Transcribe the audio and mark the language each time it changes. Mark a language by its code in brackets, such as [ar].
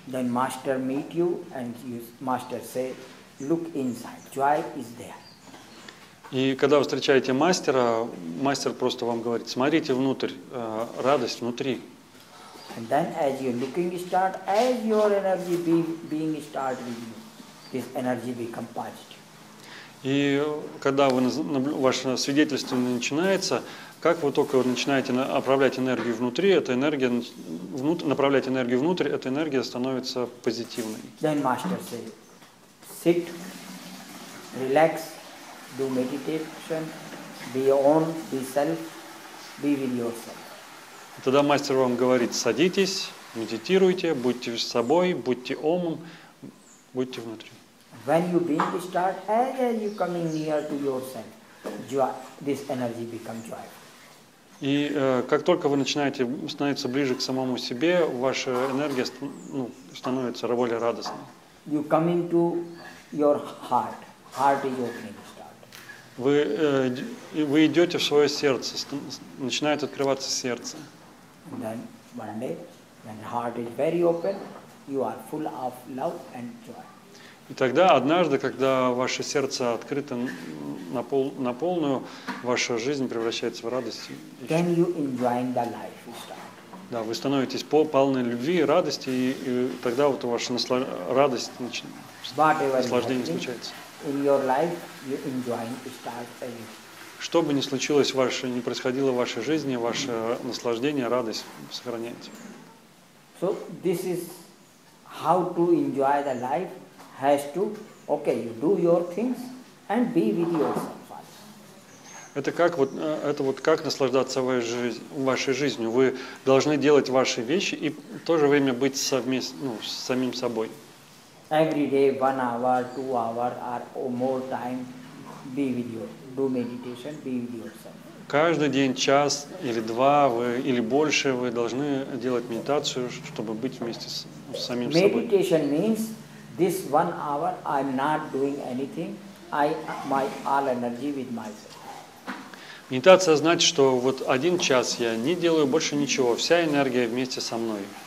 [en] Then master meet you and master say, look inside, joy is there. [ru] И когда вы встречаете мастера, мастер просто вам говорит, смотрите внутрь, радость внутри. [en] And then as you looking start, as your energy being start with you, this energy become positive. [ru] И когда ваше свидетельство начинается, как вы только начинаете направлять энергию внутри, эта энергия становится позитивной. [en] Then master say, sit, relax, do meditation, be on, be self, be with yourself. [ru] Тогда мастер вам говорит, садитесь, медитируйте, будьте с собой, будьте омом, Будьте внутри. [en] When you being start, as you coming near to yourself, joy, this energy become joy. [ru] И как только вы начинаете становиться ближе к самому себе, ваша энергия становится более радостной. [en] You coming to your heart. Heart is opening start. [ru] Вы идете в свое сердце, начинает открываться сердце. [en] And then one day, when heart is very open, you are full of love and joy. [ru] И тогда однажды, когда ваше сердце открыто на полную, ваша жизнь превращается в радость. [en] Then you enjoy the life you start. [ru] Да, вы становитесь полны любви и радости, и тогда вот ваша радость начинает, наслаждение случается. [en] In your life, you enjoy to start again. [ru] Что бы ни случилось, не происходило в вашей жизни, ваше наслаждение, радость сохраняется. [en] So this is how to enjoy the life. Has to, okay, you do your things and be with yourself. [ru] Это вот как наслаждаться вашей жизнью. Вы должны делать ваши вещи и в то же время быть с самим собой. [en] Every day 1 hour, 2 hour or more time be with you. Do meditation, be with yourself. [ru] Каждый день, час или два или больше вы должны делать медитацию, чтобы быть вместе с самим собой. [en] Meditation means this 1 hour I'm not doing anything. I my all energy with myself. [ru] Медитация значит, что вот один час я не делаю больше ничего. Вся энергия вместе со мной.